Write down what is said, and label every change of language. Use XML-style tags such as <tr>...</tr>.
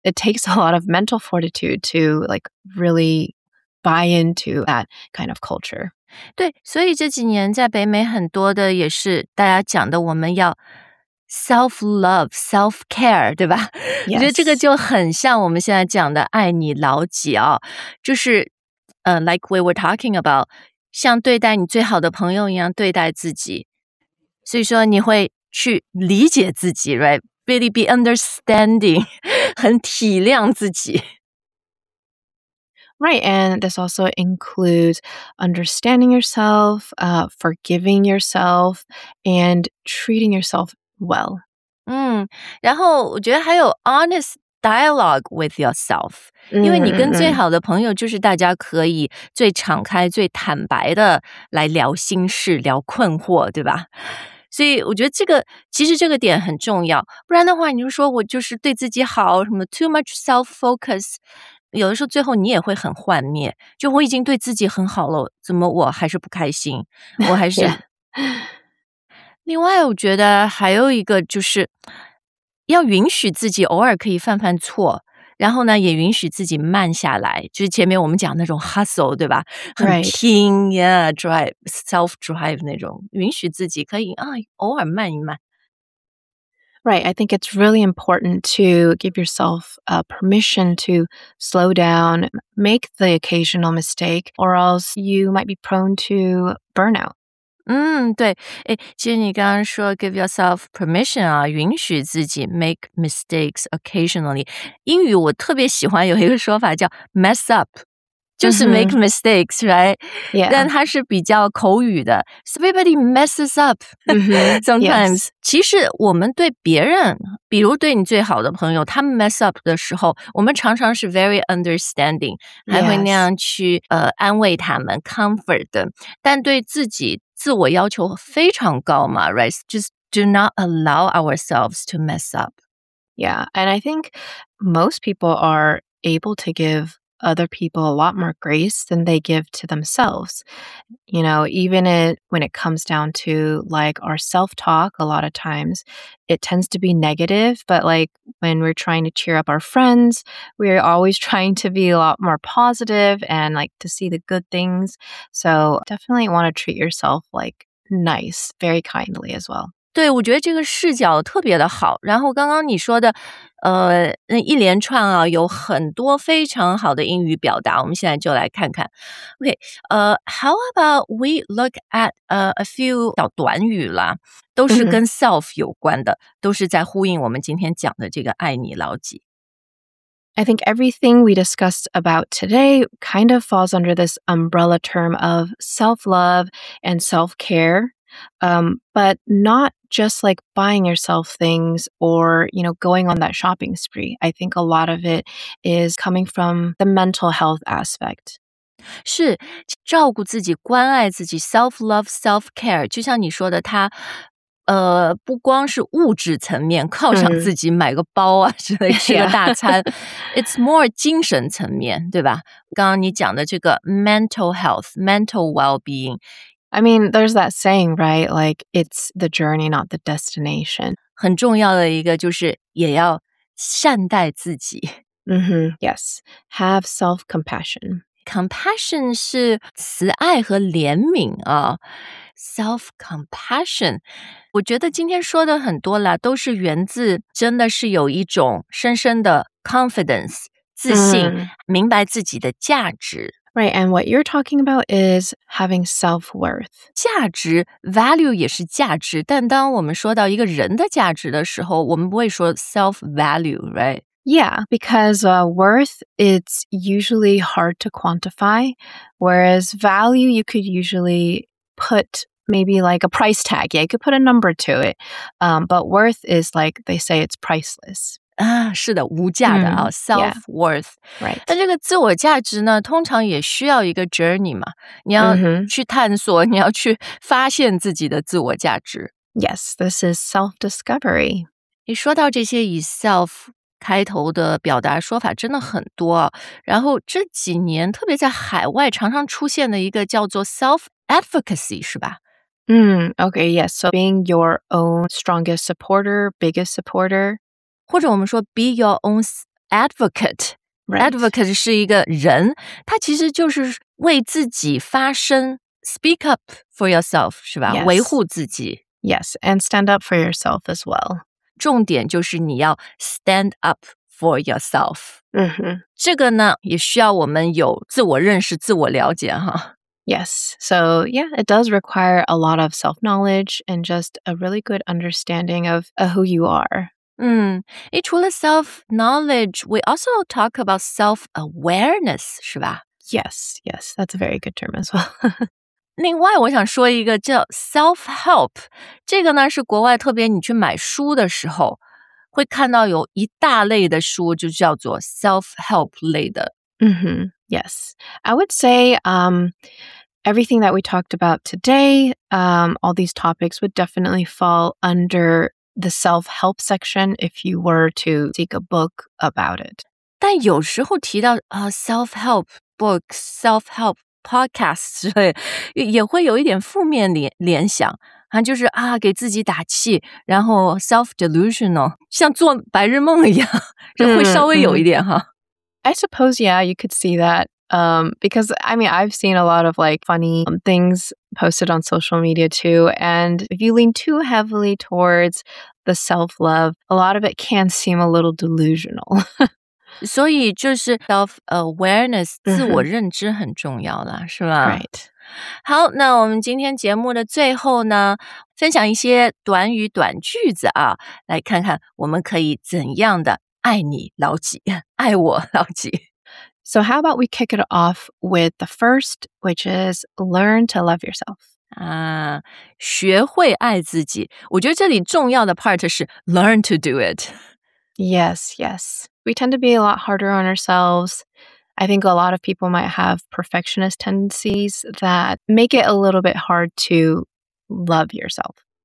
<en>It takes a lot of mental fortitude to, like, really buy into that kind of culture.</en> <zh>对，所以这几年在北美很多的也是大家讲的我们要</zh> <en>self-love, self-care,</en> <zh>对吧、</zh> <en>yes.</en> <zh>我觉得这个就很像我们现在讲的爱你老几哦，就是</zh> <en>like we were talking about,</en> <zh>像对待你最好的朋友一样对待自己。所以说你会去理解自己 right?</zh> <en>Really be understanding,</en> <zh>很体谅自己。</zh> <en>Right, and this also includes understanding yourself, forgiving yourself, and treating yourself well.</en> <zh>然后我觉得还有</zh> <en>honest dialogue with yourself,</en> <zh>因为你跟最好的朋友就是大家可以最敞开最坦白的来聊心事聊困惑对吧，所以我觉得这个其实这个点很重要，不然的话你就说我就是对自己好什么</zh> <en>too much self-focus,</en> <zh>有的时候最后你也会很幻灭，就我已经对自己很好了怎么我还是不开心我还是、</zh> <en>yeah.</en> <zh>另外我觉得还有一个就是要允许自己偶尔可以犯犯错，然后呢也允许自己慢下来，就是前面我们讲那种 hustle, 对吧，很拼、</zh> <en>right. yeah, drive, self-drive</en> <zh>那种，允许自己可以啊偶尔慢一慢。</zh> <en>Right, I think it's really important to give yourself permission to slow down, make the occasional mistake, or else you might be prone to burnout.</en> <zh>对，其实你刚刚说</zh> <en>give yourself permission</en> <zh>啊，允许自己</zh> <en>make mistakes occasionally。</en> <zh>英语我特别喜欢有一个说法叫 mess up，就是</zh> <en>make mistakes, right? Yeah.</en> <zh>但它是比较口语的。</zh> <en>Everybody messes up sometimes. Yes.</en> <zh>其实我们对别人，比如对你最好的朋友，他 mess up 的时候，我们常常是</zh> <en>very understanding,</en> <zh>还会那样去、安慰他们</zh> <en>comfort them.</en> <zh>但对自己自我要求非常高嘛 right?</zh> <en>Just do not allow ourselves to mess up. Yeah, and I think most people are able to give other people a lot more grace than they give to themselves. You know, even it, when it comes down to like our self-talk, a lot of times it tends to be negative, but like when we're trying to cheer up our friends, we're always trying to be a lot more positive and like to see the good things. So definitely want to treat yourself like nice, very kindly as well.</en> <zh>对，我觉得这个视角特别的好。然后刚刚你说的那一连串啊，有很多非常好的英语表达，我们现在就来看看。</zh> <en>OK, how about we look at a few</en> <zh>小短语啦，都是跟 self 有关的，都是在呼应我们今天讲的这个爱你牢记。</zh> <en>I think everything we discussed about today kind of falls under this umbrella term of self-love and self-care. But not just like buying yourself things or, you know, going on that shopping spree. I think a lot of it is coming from the mental health aspect.</en> <zh>是照顾自己关爱自己 self-love, self-care, 就像你说的它不光是物质层面犒赏自己买个包啊之类吃个大餐</zh> <en>It's more</en> <zh>精神层面对吧刚刚你讲的这个</zh> <en>mental health, mental well-being, I mean, there's that saying, right? Like, it's the journey, not the destination.</en> <zh>很重要的一个就是也要善待自己。</zh> <en>Mm-hmm. Yes. Have self-compassion.</en> <zh>Compassion 是慈爱和怜悯啊。</zh> <en>Self-compassion.</en> <zh>我觉得今天说的很多了，都是源自真的是有一种深深的 confidence, 自信、mm-hmm. 明白自己的价值。</zh> <en>Right, and what you're talking about is having self-worth.</en> <zh>价值 value 也是价值，但当我们说到一个人的价值的时候，我们不会说</zh> <en>self-value, right? Yeah, because worth, it's usually hard to quantify, whereas value, you could usually put maybe like a price tag. Yeah, you could put a number to it. But worth is like, they say it's priceless.</en> <zh>啊，是的，无价的啊、self worth。</zh> <en>Right.</en> <zh>但这个自我价值呢，通常也需要一个 journey 嘛，你要去探索， mm-hmm. 你要去发现自己的自我价值。</zh> <en>Yes, this is self discovery.</en> <zh>你说到这些以 self 开头的表达说法真的很多，然后这几年特别在海外常常出现的一个叫做 self advocacy， 是吧？</zh> <en>Okay. Yes. So being your own strongest supporter, biggest supporter.</en> <zh>或者我们说 be your own advocate、</zh> <en>right.</en> <zh>advocate 是一个人他其实就是为自己发声</zh> <en>speak up for yourself</en> <zh>是吧、</zh> <en>yes.</en> <zh>维护自己</zh> <en>yes and stand up for yourself as well</en> <zh>重点就是你要</zh> <en>stand up for yourself、 mm-hmm.</en> <zh>这个呢也需要我们有自我认识自我了解哈</zh> <en>yes so yeah it does require a lot of self-knowledge and just a really good understanding of who you are</en> <zh>除了</zh> <en>self-knowledge, we also talk about self-awareness,</en> <zh>是吧?</zh> <en>Yes, yes, that's a very good term as well.</en> <zh>另外我想说一个叫 self-help, 这个呢是国外特别你去买书的时候会看到有一大类的书就叫做 self-help 类的。</zh> <en>Yes, I would say, everything that we talked about today, all these topics would definitely fall under... the self-help section if you were to seek a book about it.</en> <zh>但有时候提到</zh> <en>self-help books, self-help podcasts,</en> <zh>也会有一点负面联想、啊、就是啊给自己打气然后 self-delusional, 像做白日梦一样这会稍微有一点哈。</zh> <en>I suppose, yeah, you could see that. Because, I mean, I've seen a lot of, like, funny things posted on social media, too. And if you lean too heavily towards the self-love, a lot of it can seem a little delusional.</en> <zh>所以就是 self-awareness, 自我认知很重要了、是吧</zh> <en>Right.</en> <zh>好那我们今天节目的最后呢分享一些短语短句子啊来看看我们可以怎样的爱你牢记爱我牢记</zh> <en>So how about we kick it off with the first, which is learn to love yourself.</en> <zh>学会爱自己。我觉得这里重要的 part 是</zh> <en>learn to do it. Yes, yes. We tend to be a lot harder on ourselves. I think a lot of people might have perfectionist tendencies that make it a little bit hard to love yourself.</en>